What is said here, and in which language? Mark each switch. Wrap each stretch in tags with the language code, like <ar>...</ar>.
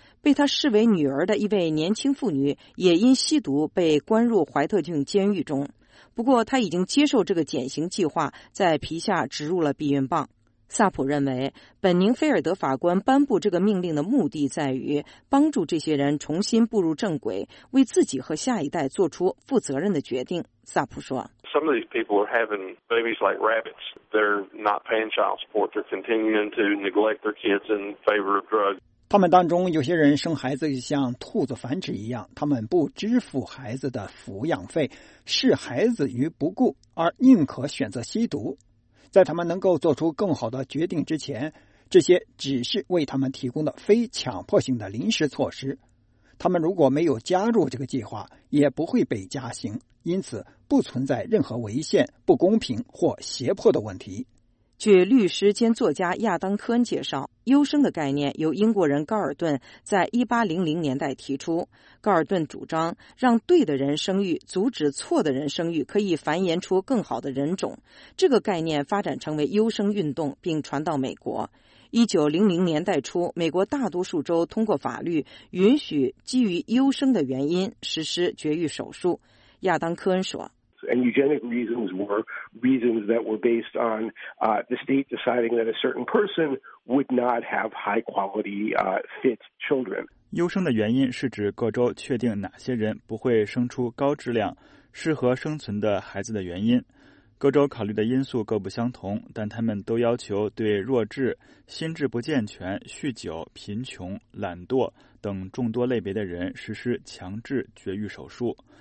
<zh>被他视为女儿的一位年轻妇女也因吸毒被关入怀特郡监狱中，不过他已经接受这个减刑计划，在皮下植入了避孕棒。萨普认为，本宁菲尔德法官颁布这个命令的目的在于帮助这些人重新步入正轨，为自己和下一代做出负责任的决定。萨普说</zh> <en>Some of these people are having babies like rabbits. They're not paying child support. They're continuing to neglect their kids in favor of drugs.</en> <zh>他们当中有些人生孩子像兔子繁殖一样，他们不支付孩子的抚养费，视孩子于不顾，而宁可选择吸毒。在他们能够做出更好的决定之前，这些只是为他们提供的非强迫性的临时措施。他们如果没有加入这个计划，也不会被加刑，因此不存在任何违宪、不公平或胁迫的问题。据律师兼作家亚当·科恩介绍，优生的概念由英国人高尔顿在1800年代提出。高尔顿主张让对的人生育，阻止错的人生育，可以繁衍出更好的人种。这个概念发展成为优生运动，并传到美国。 1900年代初，美国大多数州通过法律允许基于优生的原因实施绝育手术。亚当·科恩说，</zh> <en>And eugenic reasons were reasons that were based on the state deciding that a certain person would not have high quality fit children.</en> <zh>优生的原因是指各州确定哪些人不会生出高质量、适合生存的孩子的原因。各州考虑的因素各不相同，但他们都要求对弱智、心智不健全、酗酒、贫穷、懒惰等众多类别的人实施强制绝育手术。</zh>